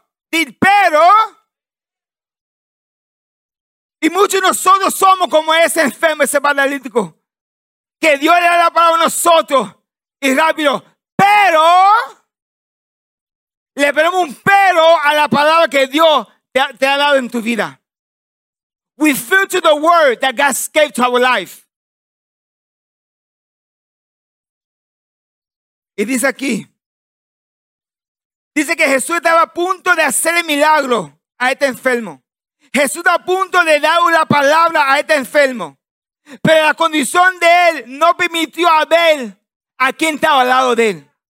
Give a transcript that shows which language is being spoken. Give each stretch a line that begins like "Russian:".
Spanish: Pero, y muchos de nosotros somos como ese enfermo, ese paralítico, que Dios le da la palabra a nosotros, y rápido, pero, le ponemos un pero a la palabra que Dios te ha dado en tu vida.
English: We filter the word that God gave to our life.
Spanish: Y dice aquí, dice que Jesús estaba a punto de hacer el milagro a este enfermo. Jesús está a punto de dar una palabra a este enfermo. Pero la condición de él no permitió a ver a quien estaba al lado de él.